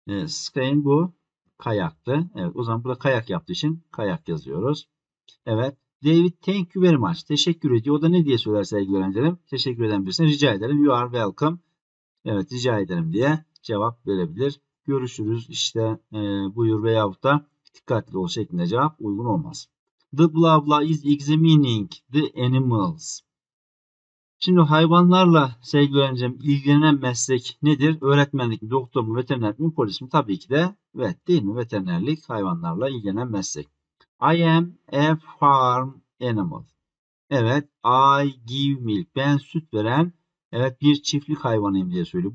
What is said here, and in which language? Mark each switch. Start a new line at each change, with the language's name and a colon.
Turkish: Skyn bu kayaktı. Evet, o zaman burada kayak yaptığı için kayak yazıyoruz. Evet.
English: David thank you very much.
Turkish: Teşekkür ediyor. O da ne diye söyler sevgili öğrencilerim? Teşekkür eden birisine rica ederim.
English: You are welcome.
Turkish: Evet, rica ederim diye cevap verebilir. Görüşürüz işte buyur veyahut da dikkatli ol şeklinde cevap uygun olmaz.
English: The blah blah is examining the animals.
Turkish: Şimdi hayvanlarla sevgili ilgilenen meslek nedir? Öğretmenlik mi, doktor mu, veteriner mi, polis mi? Tabii ki de evet değil mi? Veterinerlik hayvanlarla ilgilenen meslek.
English: I am a farm animal.
Turkish: Evet,
English: I give milk.
Turkish: Ben süt veren evet bir çiftlik hayvanıyım diye söylüyor.